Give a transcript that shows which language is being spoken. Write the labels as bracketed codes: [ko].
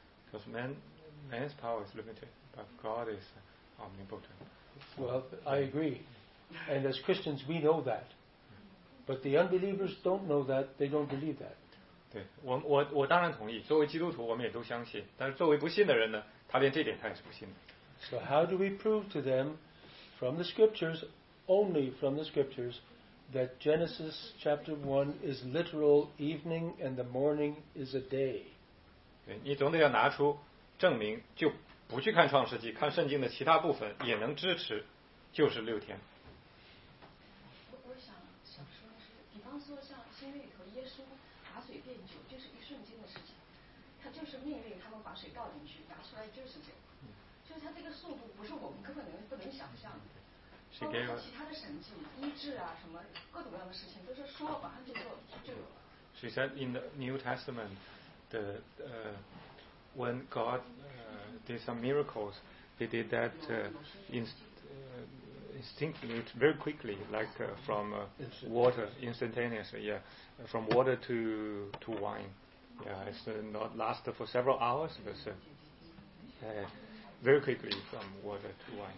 [en] Because man's power is limited, but God is omnipotent. Well, I agree, and as Christians, we know that. But the unbelievers don't know that; they don't believe that. [zh] 对，我当然同意。作为基督徒，我们也都相信。但是作为不信的人呢，他连这点他也是不信的。 So how do we prove to them from the scriptures? Only from the scriptures that Genesis chapter 1 is literal evening and the morning is a day. 你总得要拿出证明，就不去看创世纪，看圣经的其他部分也能支持，就是六天。我想说的是，比方说像新约里头耶稣把水变酒，就是一瞬间的事情，他就是命令他们把水倒进去，拿出来就是酒，就是他这个速度不是我们根本不能想象的。包括其他的神迹、医治啊，什么各种各样的事情，都是说马上就有了。 [en] She said in the New Testament, the when God did some miracles, they did that instinctively, very quickly, like from water instantaneously, yeah, from water to wine, yeah, it's not lasted for several hours, but very quickly from water to wine.